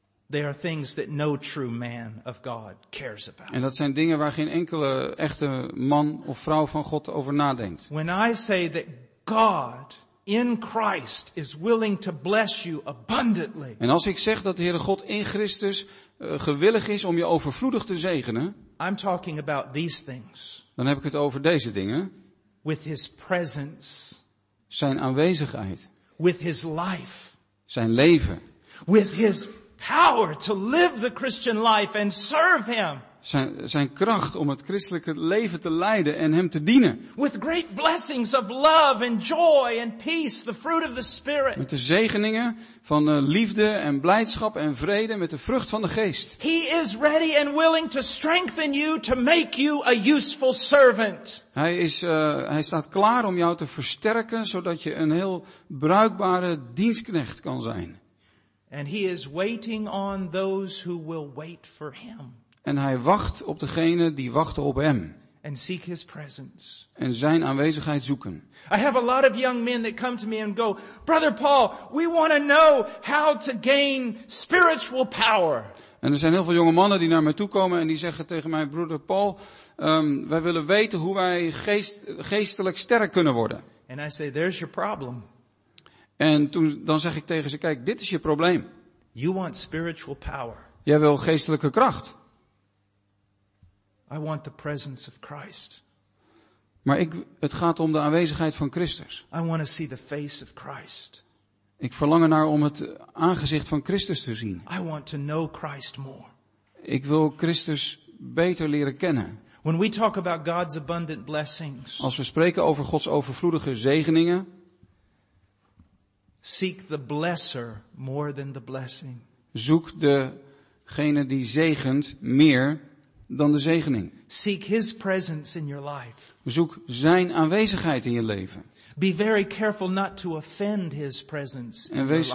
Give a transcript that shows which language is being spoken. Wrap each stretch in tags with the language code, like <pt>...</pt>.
<en>They are things that no true man of God cares about.</en> <nl>En dat zijn dingen waar geen enkele echte man of vrouw van God over nadenkt.</nl> <en>When I say that God in Christ is willing to bless you abundantly.</en> <nl>En als ik zeg dat de Heere God in Christus gewillig is om je overvloedig te zegenen.</nl> <en>I'm talking about these things.</en> <nl>Dan heb ik het over deze dingen.</nl> <en>With his presence.</en> <nl>Zijn aanwezigheid.</nl> <en>With his life.</en> <nl>Zijn leven.</nl> <en>With his power to live the Christian life and serve him.</en> <nl>Zijn kracht om het christelijke leven te leiden en hem te dienen.</nl> <en>With great blessings of love and joy and peace, the fruit of the Spirit.</en> <nl>Met de zegeningen van liefde en blijdschap en vrede, met de vrucht van de geest.</nl> <en>He is ready and willing to strengthen you to make you a useful servant.</en> <nl>Hij staat klaar om jou te versterken zodat je een heel bruikbare dienstknecht kan zijn.</nl> <en>And he is waiting on those who will wait for him.</en> <nl>En hij wacht op degene die wachten op hem.</nl> <en>And seek his presence.</en> <nl>En zijn aanwezigheid zoeken.</nl> <en>I have a lot of young men that come to me and go, Brother Paul, we want to know how to gain spiritual power.</en> <nl>En er zijn heel veel jonge mannen die naar mij toe komen en die zeggen tegen mij, Brother Paul, wij willen weten hoe wij geestelijk sterk kunnen worden.</nl> <en>And I say, there's your problem.</en> <nl>En toen, dan zeg ik tegen ze, kijk, dit is je probleem.</nl> <en>You want spiritual power.</en> <nl>Jij wil geestelijke kracht.</nl> <en>I want the presence of Christ.</en> <nl>Maar het gaat om de aanwezigheid van Christus.</nl> <en>I want to see the face of Christ.</en> <nl>Ik verlang ernaar om het aangezicht van Christus te zien.</nl> <en>I want to know Christ more.</en> <nl>Ik wil Christus beter leren kennen.</nl> <en>When we talk about God's abundant blessings.</en> <nl>Als we spreken over Gods overvloedige zegeningen.</nl> <en>Seek the blesser more than the blessing.</en> <nl>Zoek degene die zegent meer dan de zegening.</nl> <en>Seek his presence in your life.</en> <nl>Zoek zijn aanwezigheid in je leven.</nl> <en>Be very careful not to offend his presence in your life.</en>